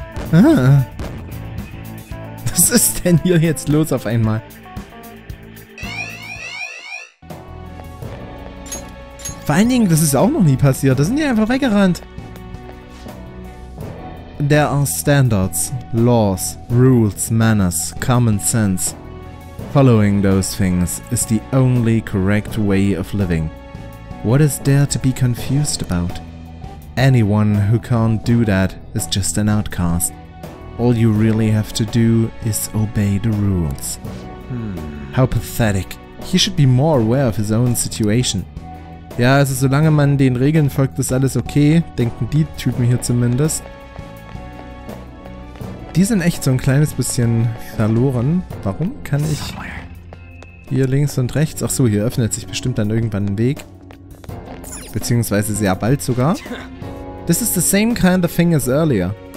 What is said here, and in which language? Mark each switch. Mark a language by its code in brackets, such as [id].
[de] Was ist denn hier jetzt los auf einmal? Vor allen Dingen, das ist auch noch nie passiert. Da sind die einfach weggerannt. [en] There are standards, laws, rules, manners, common sense. Following those things is the only correct way of living. What is there to be confused about? Anyone who can't do that is just an outcast. All you really have to do is obey the rules. How pathetic. He should be more aware of his own situation. [de] Ja, also solange man den Regeln folgt, ist alles okay, denken die Typen hier zumindest. Die sind echt so ein kleines bisschen verloren. Warum kann ich hier links und rechts? Ach so, hier öffnet sich bestimmt dann irgendwann ein Weg. Beziehungsweise sehr bald sogar. [en] This is the same kind of thing as earlier.